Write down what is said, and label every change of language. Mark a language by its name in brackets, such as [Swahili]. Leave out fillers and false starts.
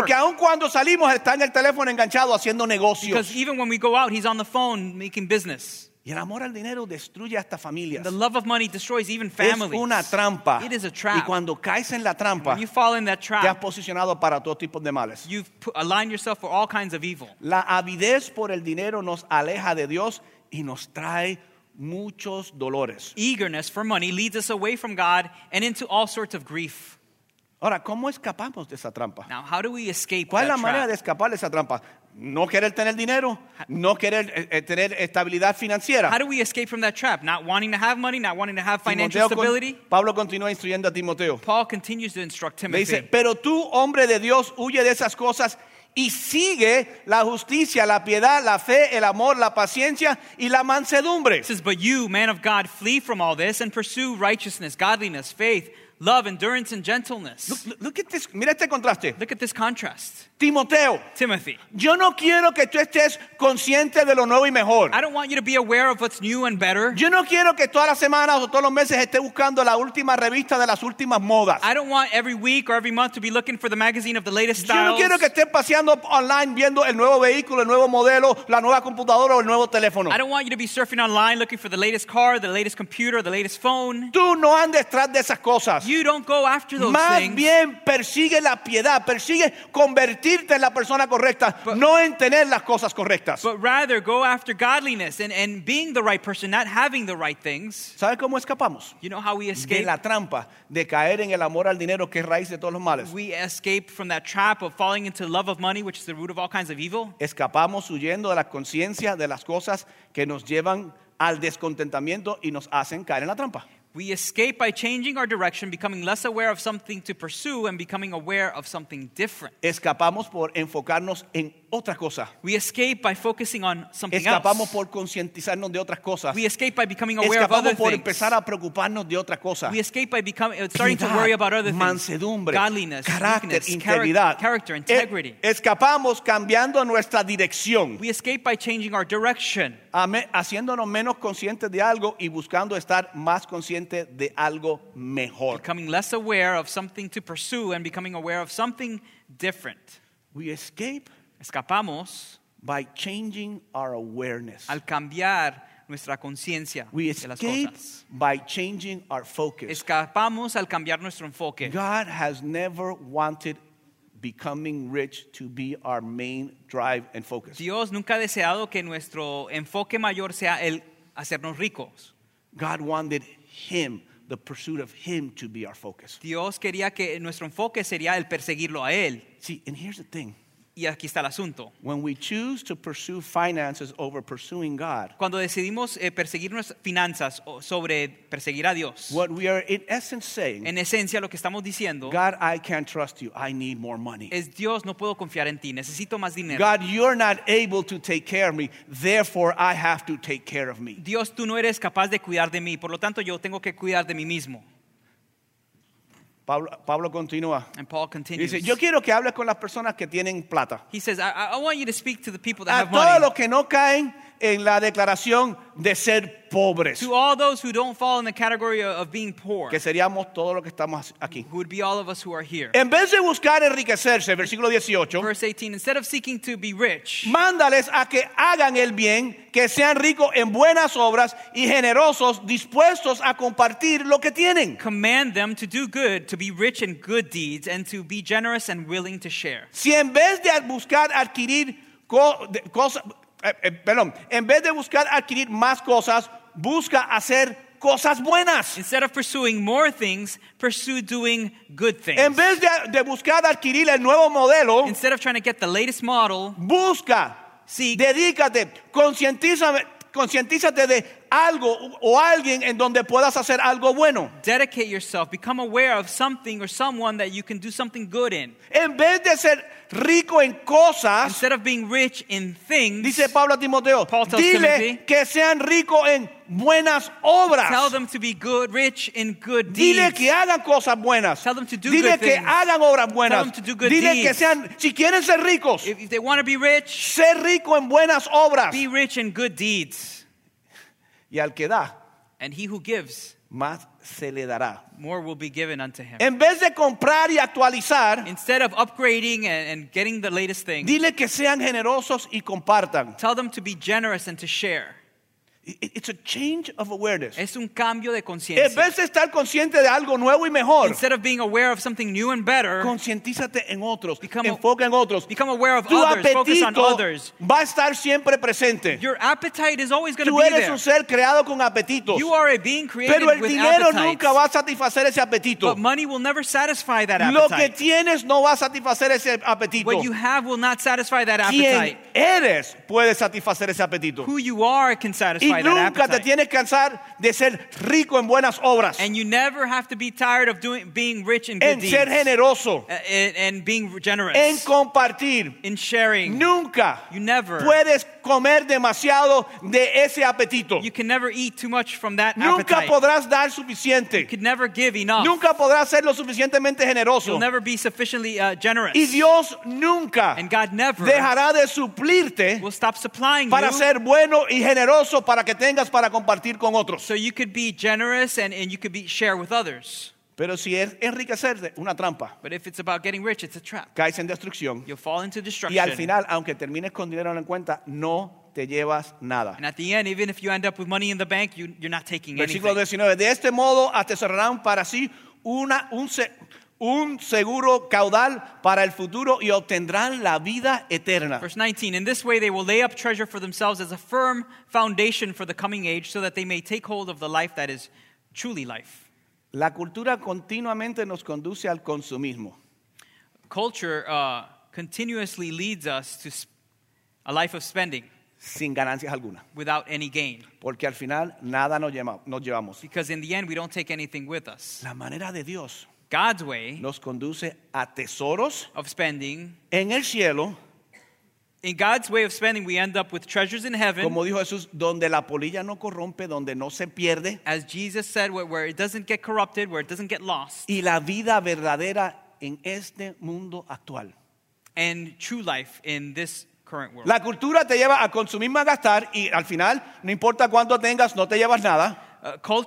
[Spanish] Porque aun cuando salimos está en el teléfono enganchado haciendo negocios. [English] Because even when we go out, he's on the phone making business. [Spanish] Y el amor al dinero destruye hasta familias. [English] The love of money destroys even families. [Spanish] Es una trampa. [English] It is a trap. [Spanish] Y cuando caes en la trampa, [English] when you fall in that trap, [Spanish] te has posicionado para todo tipo de males. [English] You've aligned yourself for all kinds of evil. [Spanish] La avidez por el dinero nos aleja de Dios y nos trae muchos dolores. [English] Eagerness for money leads us away from God and into all sorts of grief. [Spanish] Ahora, ¿cómo escapamos de esa trampa? [English] Now, how do we escape [Spanish] ¿cuál [English] that [Spanish] es la manera [English] trap? [Spanish] De escapar de esa trampa? No querer tener dinero, no querer tener estabilidad financiera. [English] How do we escape from that trap? Not wanting to have money, not wanting to have financial stability. [Spanish] Pablo continúa instruyendo a Timoteo. [English] Paul continues to instruct Timothy. [Spanish] Le dice, pero tú, hombre de Dios, huye de esas cosas y sigue la justicia, la piedad, la fe, el amor, la paciencia y la mansedumbre. [English] He says, but you, man of God, flee from all this and pursue righteousness, godliness, faith, love, endurance, and gentleness. Look at this. [Spanish] Mira este contraste. [English] Look at this contrast. [Spanish] Timoteo. [English] Timothy. [Spanish] Yo no quiero que tú estés consciente de lo nuevo y mejor. [English] I don't want you to be aware of what's new and better. [Spanish] Yo no quiero que todas las semanas o todos los meses estés buscando la última revista de las últimas modas. [English] I don't want every week or every month to be looking for the magazine of the latest styles. [Spanish] Yo no quiero que estés paseando online viendo el nuevo vehículo, el nuevo modelo, la nueva computadora o el nuevo teléfono. [English] I don't want you to be surfing online looking for the latest car, the latest computer, the latest phone. [Spanish] Tú no andes tras de esas cosas. [English] You don't go after those [Spanish] más [English] things. [Spanish] Bien persigue la piedad, persigue convertirte en la persona correcta, but, no en tener las cosas correctas. [English] But rather go after godliness and being the right person, not having the right things. [Spanish] ¿Sabe cómo escapamos? [English] You know how we escape? [Spanish] De la trampa de caer en el amor al dinero, que es raíz de todos los males. [English] We escape from that trap of falling into the love of money, which is the root of all kinds of evil. [Spanish] Escapamos huyendo de la conciencia de las cosas que nos llevan al descontentamiento y nos hacen caer en la trampa. [English] We escape by changing our direction, becoming less aware of something to pursue and becoming aware of something different. [Spanish] Escapamos por enfocarnos en otra cosa. [English] We escape by focusing on something [Spanish] escapamos [English] else. [Spanish] Escapamos por concientizarnos de otras cosas. [English] We escape by becoming aware [Spanish] escapamos [English] of other [Spanish] por [English] things. [Spanish] Empezar a preocuparnos de otra cosa. [English] We escape by starting Piedad, to worry about other things. [Spanish] Mansedumbre, [English] godliness, [Spanish] carácter, [English] weakness, [Spanish] integridad. [English] Character, integrity. [Spanish] Escapamos cambiando nuestra dirección. [English] We escape by changing our direction. [Spanish] Haciéndonos menos conscientes de algo y buscando estar más consciente de algo mejor. [English] Becoming less aware of something to pursue and becoming aware of something different. We escape. [Spanish] Escapamos [English] by changing our awareness. [Spanish] Al cambiar nuestra conciencia de las cosas. [English] We escape by changing our focus. [Spanish] Escapamos al cambiar nuestro enfoque. [English] God has never wanted becoming rich to be our main drive and focus. [Spanish] Dios nunca ha deseado que nuestro enfoque mayor sea el hacernos ricos. [English] God wanted him, the pursuit of him, to be our focus. [Spanish] Dios quería que nuestro enfoque sería el perseguirlo a él. [English] See, and here's the thing. [Spanish] Y aquí está el asunto. [English] When we choose to pursue finances over pursuing God, [Spanish] cuando decidimos perseguir nuestras finanzas sobre perseguir a Dios, [English] what we are in essence saying, [Spanish] en esencia lo que estamos diciendo, [English] God, I can't trust you. I need more money. [Spanish] Es Dios, no puedo confiar en ti. Necesito más dinero. [English] God, you're not able to take care of me. Therefore, I have to take care of me. [Spanish] Dios, tú no eres capaz de cuidar de mí. Por lo tanto, yo tengo que cuidar de mí mismo. Pablo continúa. [English] And Paul continues. [Spanish] Y dice, yo quiero que hables con las personas que tienen plata. [English] He says, I want you to speak to the people that [Spanish] a [English] have money. [Spanish] A todos los que no caen en la declaración de ser pobres. [English] To all those who don't fall in the category of being poor. [Spanish] Que seríamos todos los que estamos aquí. [English] Who would be all of us who are here. [Spanish] En vez de buscar enriquecerse, versículo 18. [English] Verse 18, instead of seeking to be rich. [Spanish] Mándales a que hagan el bien, que sean ricos en buenas obras y generosos, dispuestos a compartir lo que tienen. [English] Command them to do good, to be rich in good deeds, and to be generous and willing to share. [Spanish] Si en vez de buscar adquirir cosas... perdón, en vez de buscar adquirir más cosas, busca hacer cosas buenas. [English] Instead of pursuing more things, pursue doing good things. [Spanish] En vez de buscar adquirir el nuevo modelo, [English] instead of trying to get the latest model, [Spanish] busca, [English] seek, [Spanish] dedícate, concientízate de algo o alguien en donde puedas hacer algo bueno. [English] Dedicate yourself. Become aware of something or someone that you can do something good in. [Spanish] En vez de ser rico en cosas, [English] instead of being rich in things, [Spanish] dice Pablo a Timoteo, [English] Paul tells [Spanish] dile [English] Timothy, [Spanish] que sean rico en buenas obras. [English] Tell them to be good, rich in good deeds. [Spanish] Dile que hagan cosas buenas. [English] Tell them to do [Spanish] dile [English] good [Spanish] que [English] things. [Spanish] Hagan obras buenas. [English] Tell them to do good [Spanish] dile [English] deeds. [Spanish] Que sean, si quieren ser ricos, [English] if they want to be rich, [Spanish] ser rico en buenas obras. [English] Be rich in good deeds. [Spanish] Y al que da, [English] and he who gives, [Spanish] más se le dará. [English] More will be given unto him. [Spanish] En vez de comprar y actualizar, [English] instead of upgrading and getting the latest things, [Spanish] dile que sean generosos y compartan. [English] Tell them to be generous and to share. It's a change of awareness. [Spanish] Es un cambio de conciencia. En vez de estar consciente de algo nuevo y mejor, [English] instead of being aware of something new and better, [Spanish] concientízate en otros. Enfoca en otros. [English] Become aware of [Spanish] tu [English] others. [Spanish] Apetito [English] focus on others. [Spanish] Va a estar siempre presente. [English] Your appetite is always going to be there. [Spanish] Tú eres un ser creado con apetitos. [English] You are a being created with appetites. [Spanish] Pero el dinero nunca va a satisfacer ese apetito. [English] But money will never satisfy that appetite. [Spanish] Lo que tienes no va a satisfacer ese apetito. [English] What you have will not satisfy that appetite. [Spanish] Quien eres puede satisfacer ese apetito. [English] Who you are can satisfy. [Spanish] Y nunca te tienes que cansar de ser rico en buenas obras. [English] And you never have to be tired of doing, being rich in good [Spanish] en [English] deeds. [Spanish] En ser generoso. [English] And being generous. [Spanish] En compartir. [English] In sharing. [Spanish] Nunca. [English] You never. [Spanish] Puedes comer demasiado de ese apetito. [English] You can never eat too much from that appetite. [Spanish] Nunca podrás dar suficiente. [English] You can never give enough. [Spanish] Nunca podrás ser lo suficientemente generoso. [English] You'll never be sufficiently generous. [Spanish] Y Dios nunca. [English] And God never. [Spanish] Dejará de suplirte. [English] Will stop supplying [Spanish] para [English] you. [Spanish] Ser bueno y generoso para que tengas para compartir con otros. [English] So you could be generous and you could be share with others. [Spanish] Pero si es enriquecerte, una trampa. [English] But if it's about getting rich, it's a trap. [Spanish] Caes en destrucción. [English] You'll fall into destruction. [Spanish] Y al final, aunque termines con dinero en la cuenta, no te llevas nada. [English] And at the end, even if you end up with money in the bank, you're not taking [Spanish] versículo [English] anything. [Spanish] Versículo 19. De este modo, atesorarán para sí un seguro caudal para el futuro y obtendrán la vida eterna. [English] Verse 19. In this way, they will lay up treasure for themselves as a firm foundation for the coming age so that they may take hold of the life that is truly life. [Spanish] La cultura continuamente nos conduce al consumismo. [English] Culture continuously leads us to a life of spending. [Spanish] Sin ganancias alguna. [English] Without any gain. [Spanish] Porque al final nada nos llevamos. [English] Because in the end we don't take anything with us. [Spanish] La manera de Dios. [English] God's way. [Spanish] Nos conduce a tesoros. [English] Of spending. [Spanish] En el cielo. [English] In God's way of spending, we end up with treasures in heaven. [Spanish] Como dijo Jesús, donde la polilla no corrompe, donde no se pierde. [English] As Jesus said, where it doesn't get corrupted, where it doesn't get lost. [Spanish] Y la vida verdadera en este mundo actual. [English] And true life in this current world. [Spanish] La cultura te lleva a consumir, a gastar, y al final, no importa cuánto tengas, no te llevas nada.